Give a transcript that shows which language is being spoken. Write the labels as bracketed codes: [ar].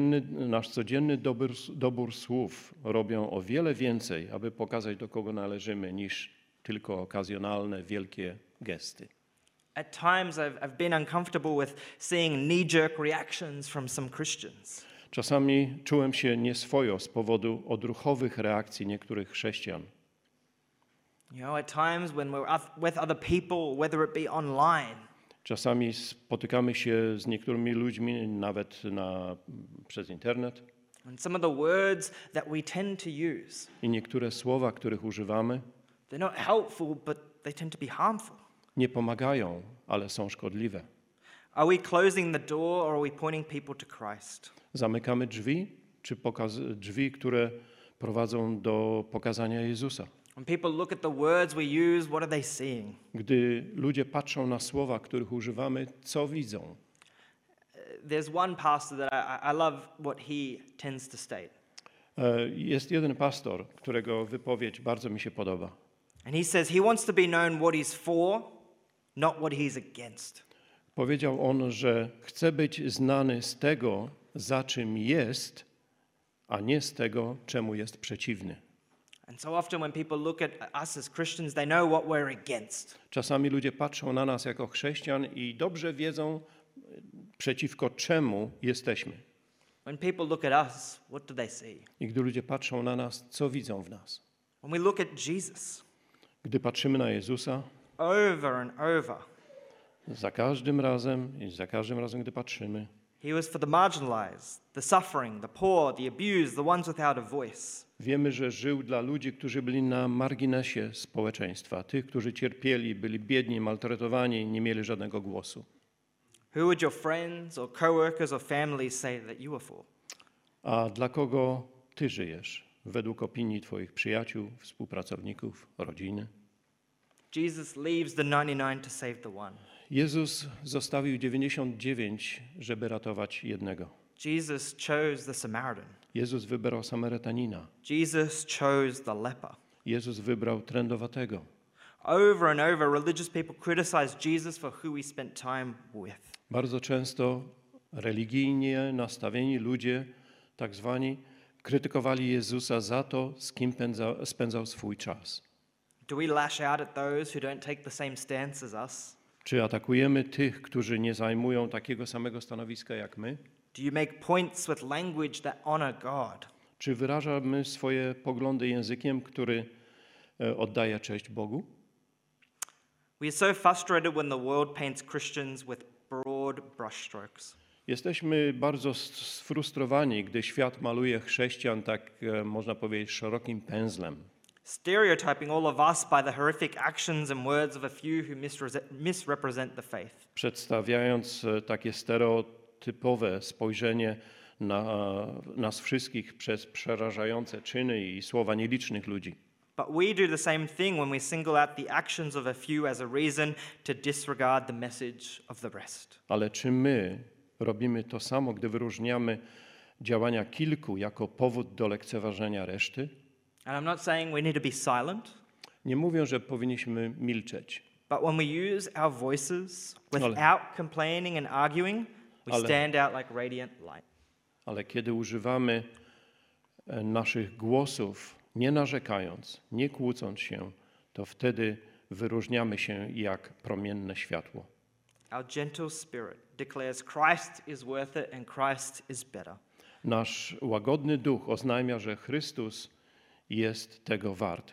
[pl] Nasz codzienny dobór słów robią o wiele więcej, aby pokazać, do kogo należymy, niż tylko okazjonalne wielkie gesty. [en] At times I've been uncomfortable with seeing knee-jerk reactions from some Christians. [pl] Czasami czułem się nieswojo z powodu odruchowych reakcji niektórych chrześcijan. [en] You know, at times when we're with other people, whether it be online. [pl] Czasami spotykamy się z niektórymi ludźmi nawet przez internet. [en] And some of the words that we tend to use. [pl] I niektóre słowa, których używamy. [en] They're not helpful, but they tend to be harmful. [pl] Nie pomagają, ale są szkodliwe. [en] Are we closing the door or are we pointing people to Christ? [pl] Zamykamy drzwi, czy drzwi, które prowadzą do pokazania Jezusa? [en] When people look at the words we use, what are they seeing? [pl] Gdy ludzie patrzą na słowa, których używamy, co widzą? [en] There's one pastor that I love what he tends to state. [pl] Jest jeden pastor, którego wypowiedź bardzo mi się podoba. [en] And he says he wants to be known what he's for, not what he's against. [pl] Powiedział on, że chce być znany z tego, za czym jest, a nie z tego, czemu jest przeciwny. [en] And so often when people look at us as Christians, they know what we're against. [pl] Czasami ludzie patrzą na nas jako chrześcijan i dobrze wiedzą, przeciwko czemu jesteśmy. [en] When people look at us, what do they see? [pl] I gdy ludzie patrzą na nas, co widzą w nas? [en] When we look at Jesus. [pl] Gdy patrzymy na Jezusa, [en] over and over. [pl] Za każdym razem, gdy patrzymy, [en] he was for the marginalized, the suffering, the poor, the abused, the ones without a voice. [pl] Wiemy, że żył dla ludzi, którzy byli na marginesie społeczeństwa, tych, którzy cierpieli, byli biedni, maltretowani, nie mieli żadnego głosu. [en] Who would your friends or coworkers or family say that you were for? [pl] A dla kogo ty żyjesz? Według opinii twoich przyjaciół, współpracowników, rodziny. [en] Jesus leaves the 99 to save the one. [pl] Jezus zostawił 99, żeby ratować jednego. [en] Jesus chose the Samaritan. [pl] Jezus wybrał Samarytanina. [en] Jesus chose the leper. [pl] Jezus wybrał trędowatego. [en] Over and over, religious people criticized Jesus for who he spent time with. [pl] Bardzo często religijnie nastawieni ludzie, tak zwani, krytykowali Jezusa za to, z kim spędzał swój czas. [en] Do we lash out at those who don't take the same stance as us? [pl] Czy atakujemy tych, którzy nie zajmują takiego samego stanowiska jak my? [en] Do you make points with language that honor God? [pl] Czy wyrażamy swoje poglądy językiem, który oddaje cześć Bogu? [en] We are so frustrated when the world paints Christians with broad brushstrokes. [pl] Jesteśmy bardzo sfrustrowani, gdy świat maluje chrześcijan tak, można powiedzieć, szerokim pędzlem. [en] Stereotyping all of us by the horrific actions and words of a few who misrepresent the faith. [pl] Przedstawiając takie stereotypowe spojrzenie na nas wszystkich przez przerażające czyny i słowa nielicznych ludzi. [en] But we do the same thing when we single out the actions of a few as a reason to disregard the message of the rest. [pl] Ale czy my robimy to samo, gdy wyróżniamy działania kilku jako powód do lekceważenia reszty? [en] And I'm not saying we need to be silent. [pl] Nie mówię, że powinniśmy milczeć. [en] But when we use our voices without complaining and arguing, we stand out like radiant light. [pl] Ale kiedy używamy naszych głosów, nie narzekając, nie kłócąc się, to wtedy wyróżniamy się jak promienne światło. [en] Our gentle spirit declares Christ is worth it and Christ is better. [pl] Nasz łagodny duch oznajmia, że Chrystus jest tego wart.